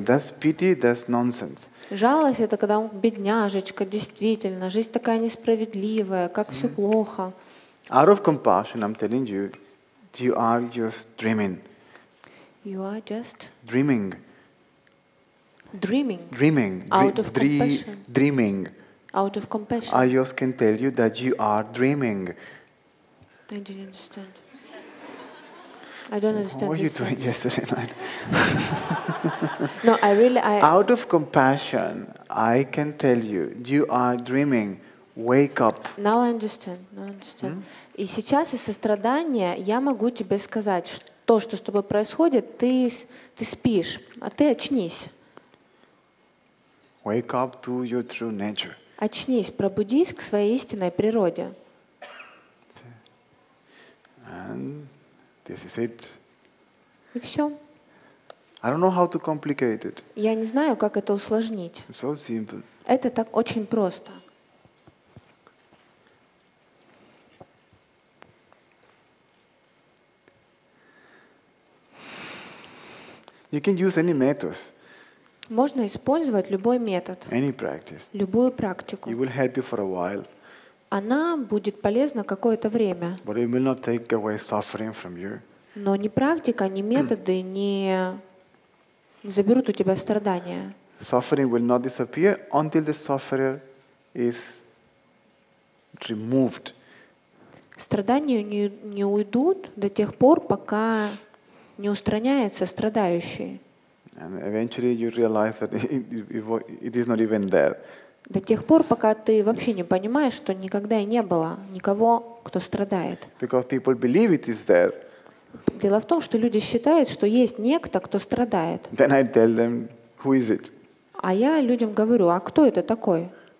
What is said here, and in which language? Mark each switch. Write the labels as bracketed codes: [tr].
[en] That's pity, that's nonsense. [ru] Жалость — это когда бедняжечка, действительно, жизнь такая несправедливая, как все плохо. [en] Out of compassion, I'm telling you, you are just dreaming. You are just dreaming. Dreaming. Dreaming. Out of compassion. Dreaming. Out of compassion. I just can tell you that you are dreaming. I didn't understand. I don't understand. What were you sense. Doing yesterday night? No, I really. I out of compassion, I can tell you, you are dreaming. Wake up. Now I understand. Now I understand. [ru] И сейчас из сострадания я могу тебе сказать, что то, что с тобой происходит, ты спишь, а ты очнись. [en] Wake up to your true nature. [ru] Очнись, пробудись к своей истинной природе. [en] And this is it. [ru] И все. [en] I don't know how to complicate it. [ru] Я не знаю, как это усложнить. [en] It's so simple. [ru] Это так очень просто. [en] You can use any methods. [ru] Можно использовать любой метод. [en] Any practice. [ru] Любую практику. [en] It will help you for a while. [ru] Она будет полезна какое-то время. [en] But it will not take away suffering from you. [ru] Но ни практика, ни методы не заберут у тебя страдания. [en] Suffering will not disappear until the sufferer is removed. [ru] Страдания не уйдут до тех пор, пока не устраняется страдающий. [en] And eventually you realize that it is not even there. [ru] До тех пор, пока ты вообще не понимаешь, что никогда и не было никого, кто страдает. [en] Because people believe it is there. [ru] Дело в том, что люди считают, что есть некто, кто страдает. [en] Then I tell them, who is it? [ru] А я людям говорю, а кто это такой?